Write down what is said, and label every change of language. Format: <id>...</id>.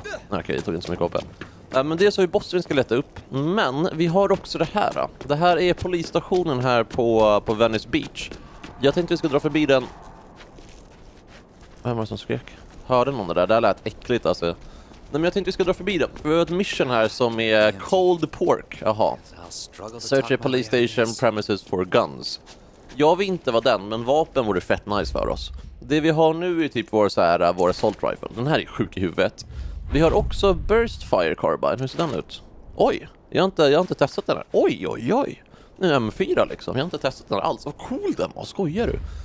<sv>Okej, det tog inte så mycket upp än. Men det är så vi bossen vi ska leta upp. Men vi har också det här då. Det här är polisstationen här på Venice Beach. Jag tänkte vi ska dra förbi den. Vem var det som skrek? Hörde någon där? Det här lät äckligt alltså. Nej, men jag tänkte vi ska dra förbi den. För vi har ett mission här som är cold pork. Jaha.</sv> <en>Search a police station premises for guns.</en> <sv>Jag vet inte vad den, men vapen vore fett nice för oss. Det vi har nu är typ vår assault rifle. Den här är sjuk i huvudet. Vi har också burst fire carbine. Hur ser den ut? Oj, jag har inte testat den här. Oj, oj, oj. Nu är M4 liksom. Jag har inte testat den här alls. Vad cool den var. Skojar du?</sv>